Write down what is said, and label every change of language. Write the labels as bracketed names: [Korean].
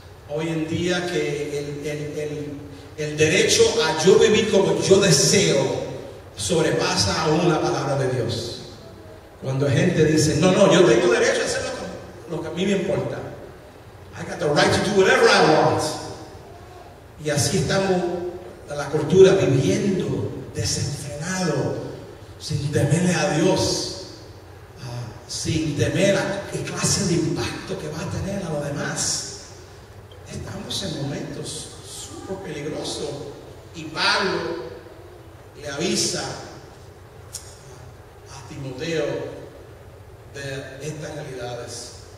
[Spanish] Hoy en día que el derecho a yo vivir como yo deseo sobrepasa aún la palabra de Dios. Cuando gente dice, no, no, yo tengo derecho a hacer lo que a mí me importa. [English] I got the right to do whatever I want. [Spanish] Y así estamos la cultura viviendo desenfrenado, sin temerle a Dios, sin temer a qué clase de impacto que va a tener a los demás. Estamos en momentos súper peligrosos. Y Pablo le avisa a Timoteo de estas realidades.